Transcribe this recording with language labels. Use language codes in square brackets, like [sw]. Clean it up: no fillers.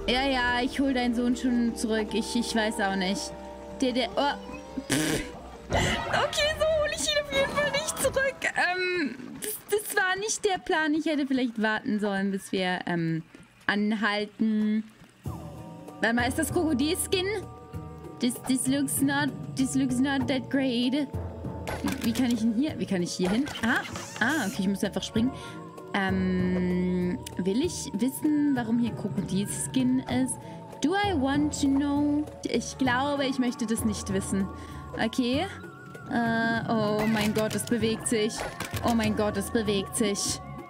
[de] Ja, ich hol deinen Sohn schon zurück. Ich weiß auch nicht. Okay, so hole ich ihn auf jeden Fall nicht zurück. Das war nicht der Plan. Ich hätte vielleicht warten sollen, bis wir anhalten. Warte mal, ist das Krokodilskin? [en] This looks not that great. [de] Wie kann ich hier hin? Okay, ich muss einfach springen. Will ich wissen, warum hier Krokodilskin ist? [en] Do I want to know? [de] Ich glaube, ich möchte das nicht wissen. Okay. Oh mein Gott, es bewegt sich. Oh mein Gott, es bewegt sich.